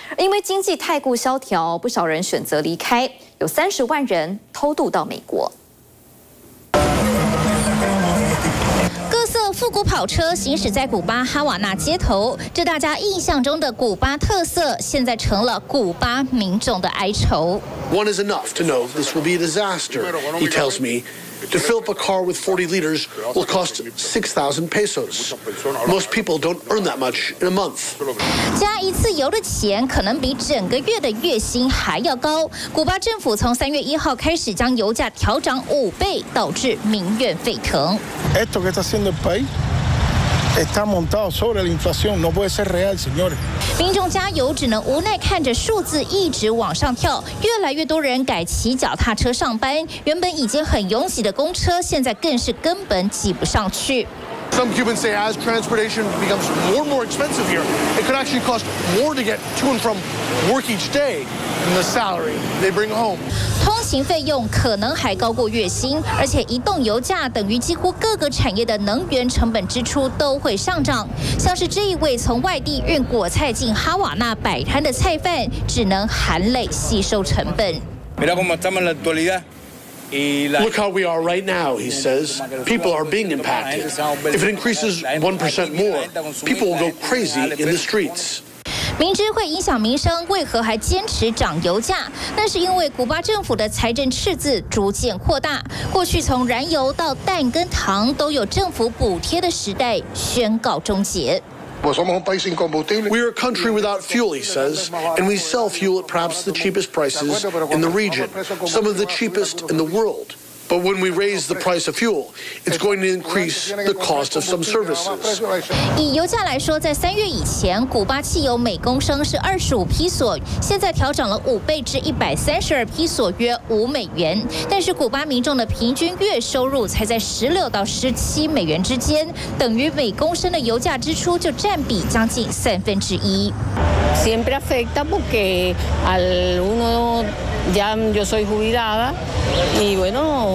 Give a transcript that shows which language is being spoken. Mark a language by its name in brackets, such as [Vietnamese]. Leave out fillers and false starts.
[Chinese] 因为经济太过萧条，不少人选择离开，有30万人偷渡到美国。复古跑车行驶在古巴哈瓦那街头，这大家印象中的古巴特色，现在成了古巴民众的哀愁。 [English] One is enough to know this will be a disaster, he tells me. To fill up a car with 40 liters will cost 6,000 pesos. Most people don't earn that much in a month. [Chinese] 加一次油的钱可能比整个月的月薪还要高。古巴政府从3月1日开始将油价调涨5倍，导致民怨沸腾。 [Spanish] Esto que está haciendo el país. Está montado sobre la inflación, no puede ser real, señores. [Chinese] 民众加油只能无奈看着数字一直往上跳，越来越多人改骑脚踏车上班，原本已经很拥挤的公车，现在更是根本挤不上去。 [English] Some Cubans say as transportation becomes more and more expensive here, it could actually cost more to get to and from work each day than the salary they bring home. [Chinese] 行费用可能还高过月薪，而且移动油价等于几乎各个产业的能源成本支出都会上涨。像是这一位从外地运果菜进哈瓦那摆摊的菜贩，只能含泪吸收成本。 [English] Look how we are right now, he says. People are being impacted. If it increases 1% more, people will go crazy in the streets. [Chinese] 明知会影响民生，为何还坚持涨油价？那是因为古巴政府的财政赤字逐渐扩大，过去从燃油到蛋跟糖都有政府补贴的时代宣告终结。 [English] We are a country without fuel, he says, and we sell fuel at perhaps the cheapest prices in the region, some of the cheapest in the world. But when we raise the price of fuel, it's going to increase the cost of some services. [Chinese] 以油价来说，在三月以前，古巴汽油每公升是25披索，现在调涨了5倍至132披索，约$5。但是古巴民众的平均月收入才在16到17美元之间，等于每公升的油价支出就占比将近1/3。 [Spanish] Siempre afecta porque al uno ya yo soy jubilada y bueno.